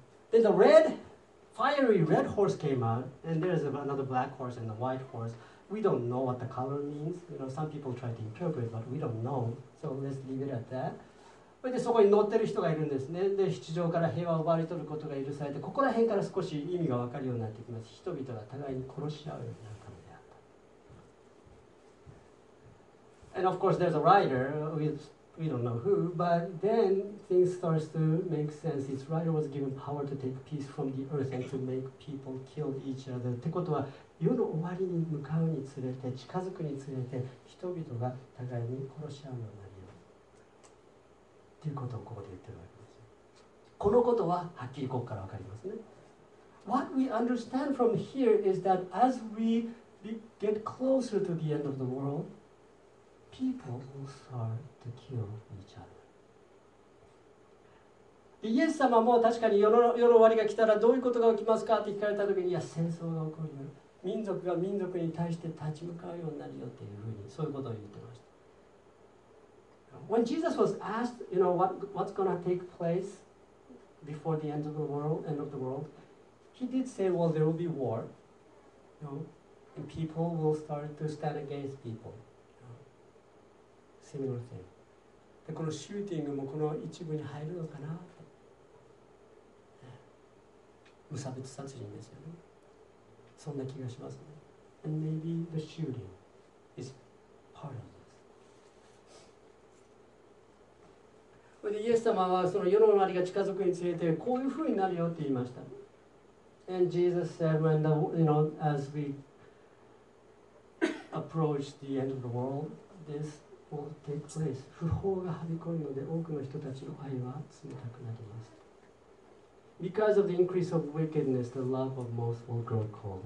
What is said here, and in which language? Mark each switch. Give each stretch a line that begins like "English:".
English: で、ね、The red, fiery red horse came out, and there's another black horse and a white horse. We don't know what the color means. You know, some people try to interpret, but we don't know. So let's leave it at that.
Japanese: でそこに乗ってる人がいるんですね。で、地上から平和を奪い取ることが許されて、ここら辺から少し意味が分かるようになってきます。人々が互いに殺し合うようになるためであった。
English: And of course, there's a rider. We don't know who, but then things starts to make sense. Its rider was given power to take peace from the earth and to make people kill each other.
Japanese: ってことは、世の終わりに向かうにつれて、近づくにつれて、人々が互いに殺し合うようになる。ということをここで言ってるわけです。このことははっきりここからわかりますね。
English: What we understand from here is that as we get closer to the end of the world, people will start to kill each other.
Japanese: イエス様も確かに世の終わりが来たらどういうことが起きますかって聞かれたときに、いや戦争が起こる。民族が民族に対して立ち向かうようになるよっていうふうに、そういうことを言ってました。
English: When Jesus was asked, you know, what's going to take place before the end of the world, he did say, well, there will be war, you know, and people will start to stand against people. Similar thing.
Japanese: で、このシューティングもこの一部に入るのかな？無差別殺人ですよね。そんな気がしますね。
English: And maybe the shooting is part of this.
Japanese: で、イエス様はその世の終わりが近づくにつれてこういうふうになるよって言いました。
English: And Jesus said, when the, you know, as we approach the end of the world, this will take place.
Japanese: 不法がはびこるので多くの人たちの愛は冷たくなります。
English: Because of the increase of wickedness, the love of most will grow cold.